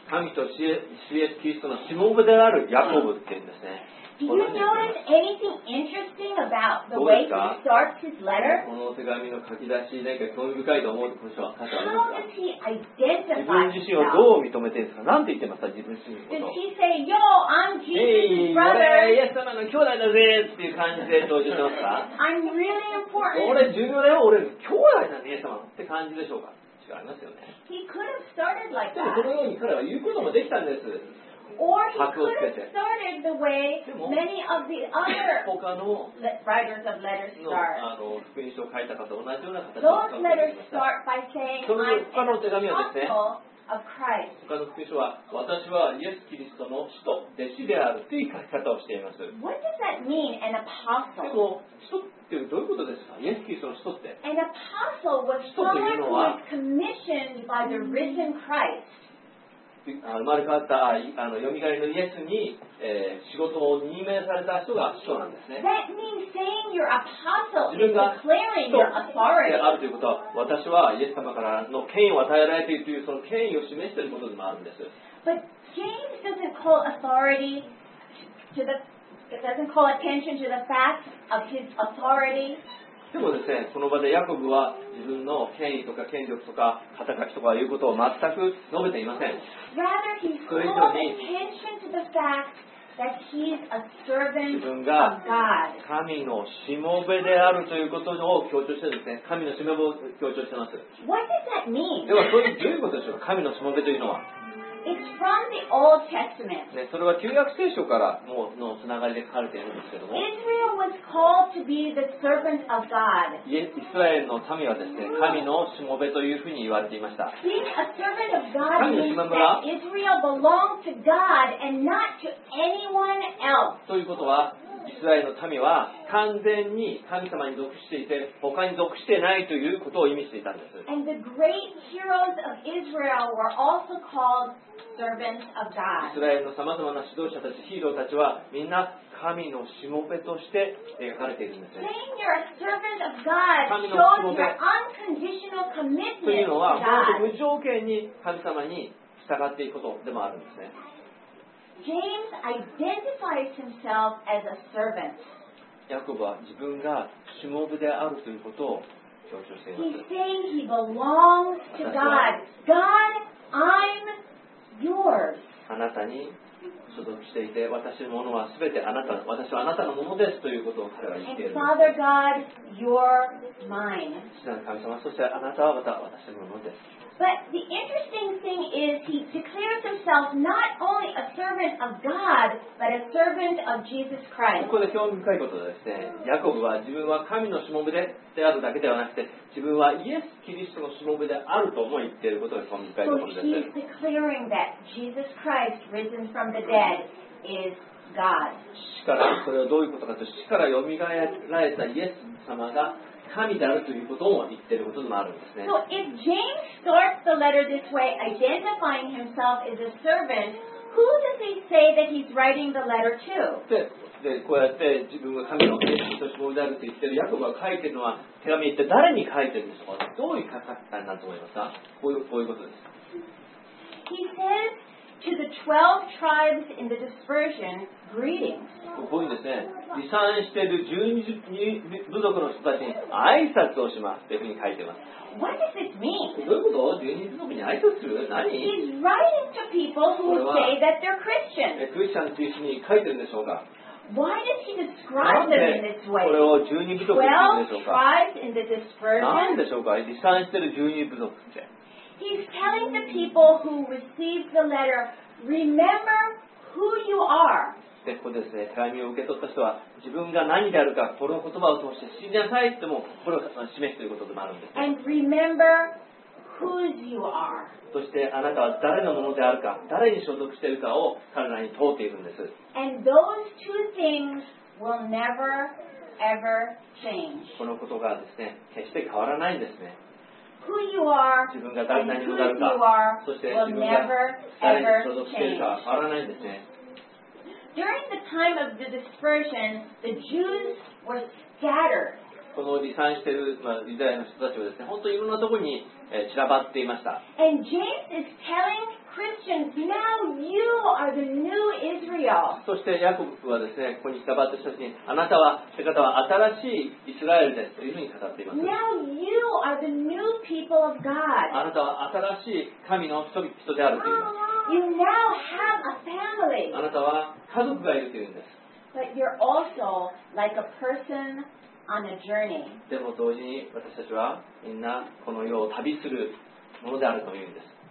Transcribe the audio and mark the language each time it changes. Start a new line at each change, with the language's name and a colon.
Japanese: 神と主イエスキリストのしもべであるヤコブって言うんですね。
English: Do you notice anything interesting about the way he starts his letter?
Japanese: この手紙の書き出し、何か興味深いと思う箇所は多々あるんですか?
English: How does he identify
Japanese: 自分自身をどう認めてるんですか? 何て言ってますか?自分自身のこと。
English: Does he say, Yo, I'm Jesus' brother?
Japanese: イエス様の兄弟だぜっていう感じで登場してますか?
English: I'm really important.
Japanese: 俺重要だよ。俺兄弟だね、イエス様って感じでしょうか? 違いますよね。
English: He could have started like that.
Japanese: でもこのように彼は言うこともできたんです。
English: Or he could have started the way many of the other writers of letters start. Those letters start by saying, I'm an apostle of Christ.
Japanese: 他の福音書は、私はイエス・キリストの使徒、弟子であるという書き方をしています。
English: What does that mean, an apostle?
Japanese: でも、使徒ってどういうことですか?イエス・キリストの使徒って。
English: An apostle was someone who was commissioned by the risen Christ.
Japanese: 生まれ変わったあのよみがえりのイエスに、仕事を任命された人が使徒なんですね。
English: That means saying your apostle is declaring your authority.
Japanese: であるということは、私はイエス様からの権威を与えられているというその権威を示していることでもあるんです。
English: But James doesn't call authority to the doesn't call attention to the fact of his authority.
Japanese: でもですね、この場でヤコブは自分の権威とか権力とか肩書きとかいうことを全く述べていません。
English: Rather, he called attention to the fact that he is a servant of God.
Japanese: 神のしもべであるということを強調してですね、神のしもべを強調しています。
English: What does that mean?
Japanese: では、それどういうことでしょうか、神のしもべというのは。
English: It's from the Old Testament.
Japanese: ね、それは旧約聖書からもうのつながりで書かれているんですけども。
English: Israel was called to be the servant of God.
Japanese: イスラエルの民はですね、神のしもべというふうに言われていました。
English: Being a servant of God means that Israel belonged to God and not to anyone else.
Japanese: ということは、イスラエルの民は完全に神様に属していて、他に属していないということを意味していたんです。
English: And the great heroes of Israel were also called servants of God.
Japanese: イスラエルのさまざまな指導者たち、ヒーローたちはみんな神のしもべとして描かれているんです。
English: Saying you're a servant of God shows your unconditional commitment
Japanese: というのは、本当無条件に神様に従っていくことでもあるんですね。
English: James identifies himself as a servant.
Japanese: ヤコブは自分がしもべであるということを強調しています。
English: He's saying he belongs to God. God, I'm yours.
Japanese: あなたに所属していて、私のものはすべてあなた、私はあなたのものですということを彼は言っている。
English: And Father God, you're mine.
Japanese: 父なる神様、そしてあなたはまた私のものです。
English: But the interesting thing is he declares himself not only a servant of God, but a servant of Jesus Christ.
Japanese: ここで興味深いことですね。ヤコブは自分は神のしもべであるだけではなくて、自分はイエス・キリストのしもべであるとも言っていることが興味深いところです。
English: So he's declaring that Jesus Christ risen from the dead is God.
Japanese: 死から、それはどういうことかというと、死からよみがえられたイエス様が神であるということも言っていることもあるんですね。
English: So if James starts the letter this way, identifying himself as a servant, who does he say that he's writing the letter to?
Japanese: で、こうやって自分が神の弟子としもであると言っているヤコブが書いているのは手紙って誰に書いているんですか。どういう書き方だと思いますか。こういうことです。
English: He says to the 12 tribes in the dispersion.
Japanese: こういうんですね、離散している12部族の人たちに挨拶をしますというふうに書いています。
English: What does this mean?
Japanese: どういうこと ?12 部族に挨拶する何
English: ?He's writing to people who say that they're Christians.
Japanese: クリスチャンという人に書いてるんでしょうか
English: ?Why does he describe them in this way?
Japanese: これを12部族に書いてるんでしょうか
English: ?Tribes in the dispersion.
Japanese: 何でしょうか離散している12部族って。
English: He's telling the people who received the letter, remember who you are.
Japanese: でここ ですね、手紙を受け取った人は自分が何であるかこの言葉を通して信じなさいってもこれを示すということでもあるんです、ね、
English: And remember whose you are.
Japanese: そしてあなたは誰のものであるか誰に所属しているかを彼らに問うているんです
English: And those two things will never, ever change.
Japanese: このことがですね決して変わらないんですね
English: Who you are
Japanese: 自分が誰に所属しているかそして自分が誰に所属しているか変わらないんですね
English: During the time of the dispersion, the Jews were scattered.
Japanese: この離散しているまあユダヤの人たちはですね、本当にいろんなところに散らばっていました。
English: And James is telling Christians, now you are the new Israel.
Japanese: そしてヤコブはですね、ここに散らばった人たちに、あなたは、という方は新しいイスラエルですというふうに語っています。
English: Now you are the new people of God.
Japanese: あなたは新しい神の人々であると言います。
English: You now have a family.
Japanese: あなたは家族がいるというんです。
English: But you're also like a person. On a journey.
Japanese: でも同時に私たちはみんなこの世を旅するものであるというんです。